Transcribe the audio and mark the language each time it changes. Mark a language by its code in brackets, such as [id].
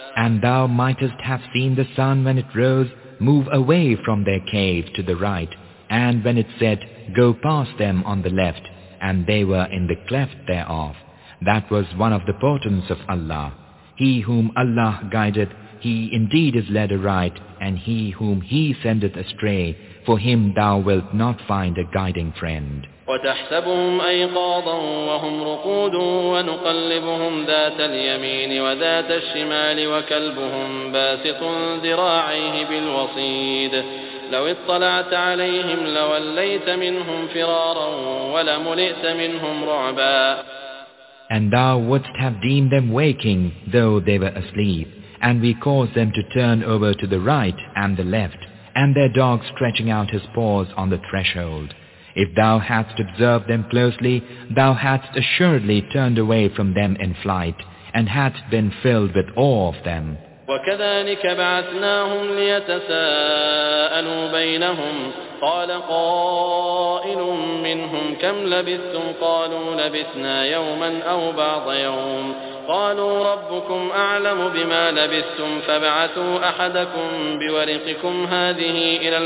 [en] And thou mightest have seen the sun when it rose move away from their cave to the right, and when it set go past them on the left, and they were in the cleft thereof. That was one of the portents of Allah. He whom Allah guideth, he indeed is led aright, and he whom he sendeth astray, for him thou wilt not find a guiding friend. [ar] وتحسبهم أيقاظا وهم رقود ونقلبهم ذات اليمين وذات الشمال وكلبهم باسط ذراعيه بالوصيد لو اطلعت عليهم لوليت منهم فرارا ولملئت منهم رعبا. [en] And thou wouldst have deemed them waking though they were asleep, and we caused them to turn over to the right and the left, and their dog stretching out his paws on the threshold. If thou hadst observed them closely, thou hadst assuredly turned away from them in flight, and hadst been filled with awe of them. [ar] وَكَذَلِكَ بَعَثْنَاهُمْ لِيَتَسَاءَلُوا بَيْنَهُمْ قَالَ قَائِلٌ مِّنْهُمْ كَمْ لَبِثْتُمْ قَالُوا لَبِثْنَا يَوْمًا أَوْ بَعْضَ يَوْمٍ قالوا ربكم أعلم بما لبثتم فبعثوا أحدكم بورقكم هذه